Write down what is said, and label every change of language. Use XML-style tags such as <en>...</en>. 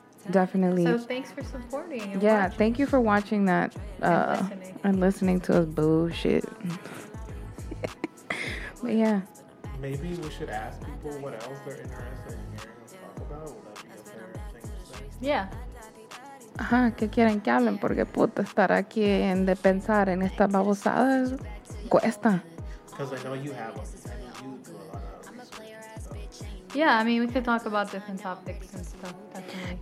<en>Definitely. So thanks for supporting. Yeah. Watching. Thank you for watching that. And listening to us bullshit. But yeah. Maybe we should ask people what else they're interested in hearing us talk about. Would that be a fair thing to say? Yeah.</en> <es>Ajá, que quieren que hablen, porque puta, estar aquí en de pensar en estas babosadas cuesta.</es> <en>Because I know you have them. I know you do a lot of them. Yeah, I mean, we could talk about different topics and stuff, definitely.</en>